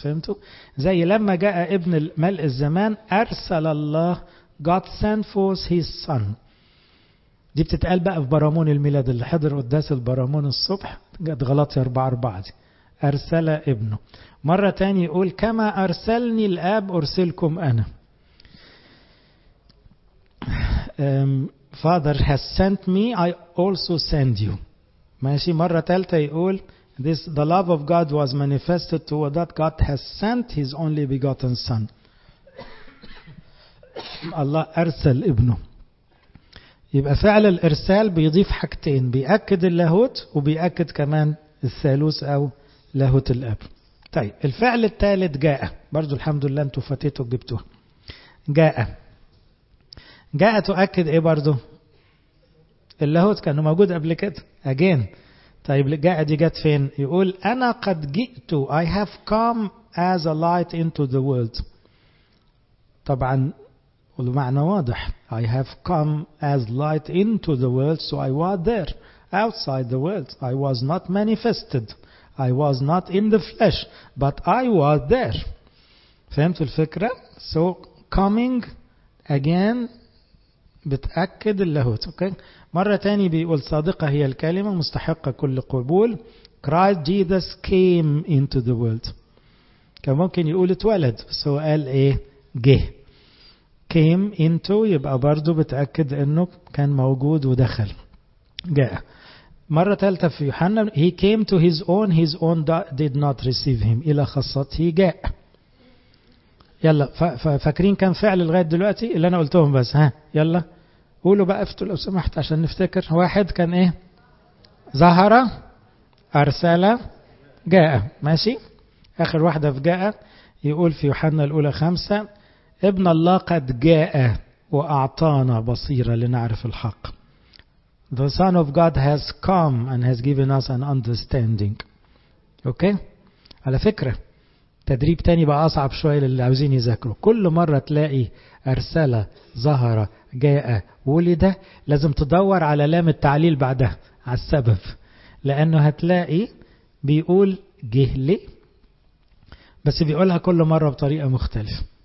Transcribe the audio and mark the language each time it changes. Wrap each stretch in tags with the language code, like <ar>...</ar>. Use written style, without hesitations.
<ar>فهمتوا؟ زي لما جاء ابن ملء الزمان أرسل الله،</ar> <en>God sent forth his son.</en> <ar>دي بتتقال بقى في برامون الميلاد اللي حضر قداس البرامون الصبح، جت غلط يا 4-4 دي، أرسل ابنه. مرة تاني يقول كما أرسلني الآب أرسلكم أنا.</ar> <en>Father has sent me, I also send you.</en> <ar>ماشي. مرة تالتة يقول</ar> <en>this the love of God was manifested to that God has sent his only begotten son.</en> <ar>الله أرسل ابنه. يبقى فعل الإرسال بيضيف حاجتين، بيأكد اللاهوت وبيأكد كمان الثالوث أو لاهوت الأب. طيب الفعل التالت جاء، برضو الحمد لله انتوا فاتيتوا جبتوه. جاء، جاء تؤكد ايه برضو؟ اللاهوت كانه موجود قبل كده. Again. طيب جاء دي جت فين؟ يقول انا قد جئت،</ar> <en>I have come as a light into the world.</en> <ar>طبعا المعنى واضح،</ar> <en>I have come as light into the world. So I was there outside the world. I was not manifested. I was not in the flesh. But I was there.</en> <ar>فهمتوا الفكرة؟</ar> <en>So coming again</en> <ar>بتأكد اللاهوت. اوكي. مرة تاني بيقول صادقة هي الكلمة مستحقة كل قبول.</ar> <en>Christ Jesus came into the world.</en> <ar>كان ممكن يقول اتولد، بس هو قال ايه؟ جه</ar> <en>came into</en> <ar>يبقى برضو بتأكد انه كان موجود ودخل جاء. مرة ثالثة في يوحنا</ar> <en>he came to his own did not receive him</en> <ar>إلى خصته جاء. يلا فاكرين كان فعل لغاية دلوقتي اللي أنا قلتهم بس ها يلا قولوا بقى افتوا لو سمحت عشان نفتكر. واحد كان ايه؟ ظهر أرسل جاء ماشي. آخر واحدة في جاء يقول في يوحنا الأولى خمسة ابن الله قد جاء وأعطانا بصيرة لنعرف الحق.</ar> <en>The Son of God has come and has given us an understanding.</en> <ar>Okay؟ على فكرة تدريب تاني بقى أصعب شوية للي عاوزين يذاكروا. كل مرة تلاقي أرسل ظهر جاء ولد لازم تدور على لام التعليل بعدها على السبب، لأنه هتلاقي بيقول جه لي بس بيقولها كل مرة بطريقة مختلفة.</ar>